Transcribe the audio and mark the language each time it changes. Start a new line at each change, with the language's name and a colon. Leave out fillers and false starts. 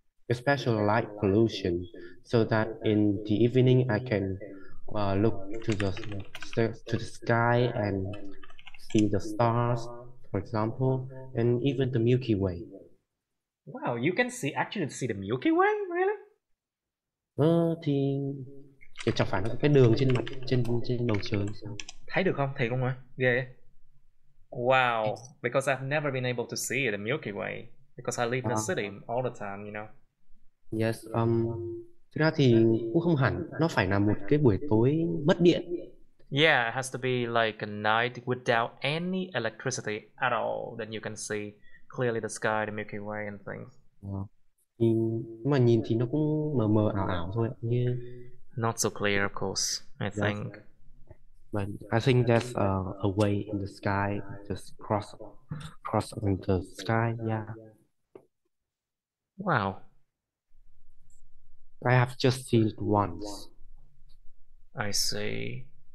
English: especially light pollution, so that in the evening I can look to the sky and see the stars, for example, and even the Milky Way. Wow, you can actually see the Milky Way, really?
Vietnamese: Thì kiểu chẳng phải nó có cái đường trên mặt trên trên bầu trời sao? Thấy được không? Thấy không ạ? Ghê.
English: Wow, because I've never been able to see the Milky Way because I live in the city all the time, you know.
Vietnamese: Yes, thực ra thì cũng không hẳn, nó phải là một cái buổi tối mất điện.
English: Yeah, it has to be like a night without any electricity at all, then you can see clearly the sky, the Milky Way and things.
Vietnamese: Nhìn, mà nhìn thì nó cũng mờ mờ ảo ảo thôi, như
English: Not so clear, of course, I yes. think. But I think that's a way in the sky, just cross in the sky. Yeah, Wow. I have just seen it once. I see.